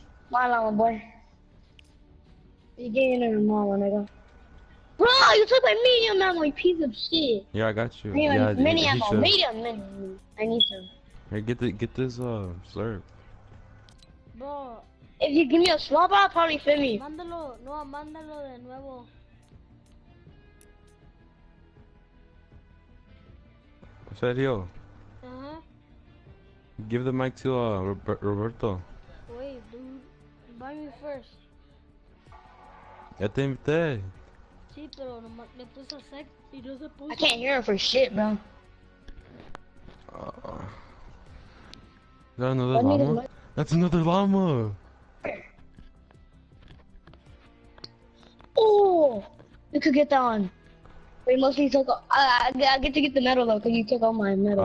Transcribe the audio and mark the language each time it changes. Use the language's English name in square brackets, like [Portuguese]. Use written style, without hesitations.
[English] My llama, boy. You getting in a llama, nigga. Bro, you took my medium ammo, you piece of shit. Yeah, I got you. Medium, yeah, mini ammo, medium, mini. I need some. Here, get this, slurp. Bro. If you give me a slurp, I'll probably fit me. [Spanish] Mándalo, no, mándalo de nuevo. Sergio, uh-huh. [English] Give the mic to Roberto. Wait, dude, buy me first. [Spanish] Ya te invité. Sí, pero nomás le puse a sec y no se puso. [English] I can't hear him for shit, bro. Is that another llama? That's another llama! Oh, we could get that one. We mostly took. I get to get the metal though, cause you took all my metal.